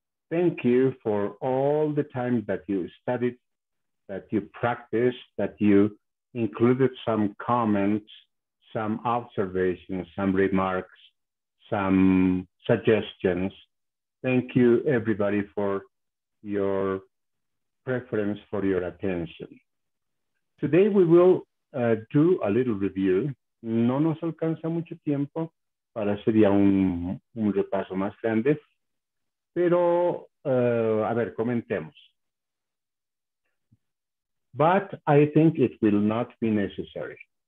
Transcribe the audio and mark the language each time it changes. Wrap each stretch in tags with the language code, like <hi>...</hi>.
<en>Thank you for all the time that you studied, that you practiced, that you included some comments, some observations, some remarks, some suggestions. Thank you, everybody, for your preference, for your attention. Today we will do a little review.</en> <es>No nos alcanza mucho tiempo para hacer ya un repaso más grande, pero a ver, comentemos.</es> <en>But I think it will not be necessary.</en>